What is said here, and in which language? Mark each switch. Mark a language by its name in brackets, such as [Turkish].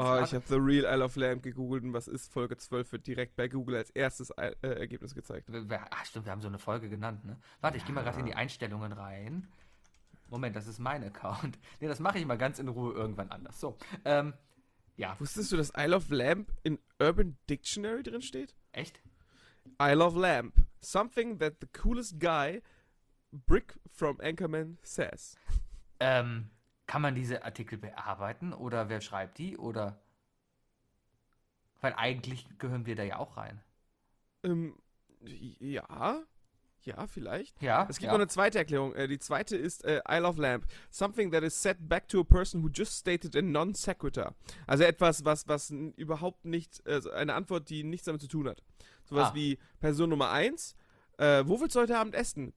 [German] Oh, ich habe The Real Isle of Lamb gegoogelt und was ist? Folge 12 wird direkt bei Google als erstes Ergebnis gezeigt. Ach stimmt, wir haben so eine Folge genannt, ne? Warte, ja. Ich gehe mal gerade in die Einstellungen rein. Moment, das ist mein Account. Ne, das mache ich mal ganz in Ruhe irgendwann anders. So, ja. Wusstest du, dass Isle of Lamb in Urban Dictionary drin steht? Echt? [English] I love lamp. Something that the coolest guy, Brick from Anchorman, says. [German] Kann man diese Artikel bearbeiten? Oder wer schreibt die? Oder? Weil eigentlich gehören wir da ja auch rein. Ja. Ja, vielleicht. Ja, es gibt noch eine zweite Erklärung. Die zweite ist [English] I love lamp. Something that is said back to a person who just stated a non sequitur. [German] Also etwas, was überhaupt nicht, also eine Antwort, die nichts damit zu tun hat. Sowas wie Person Nummer 1, wo willst du heute Abend essen?